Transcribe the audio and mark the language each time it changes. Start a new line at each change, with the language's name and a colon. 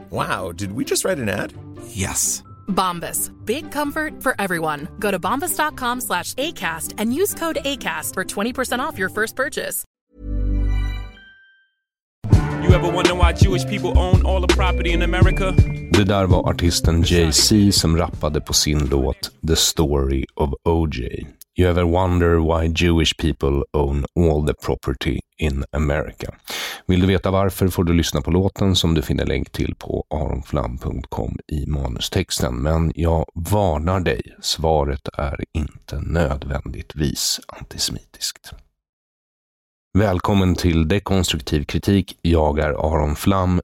English: Wow, did we just write an ad? Yes. Bombas. Big comfort for everyone. Go to bombas.com/ACAST and use code ACAST for 20% off your first purchase. You ever wonder why Jewish people own all the property in America?
Swedish: Det där var artisten Jay-Z som rappade på sin låt The Story of OJ.
English: You ever wonder why Jewish people own all the property in America?
Swedish: Vill du veta varför får du lyssna på låten som du finner länk till på aronflam.com i manustexten. Men jag varnar dig, svaret är inte nödvändigtvis antisemitiskt. Välkommen till Dekonstruktiv kritik. Jag är Aron Flam.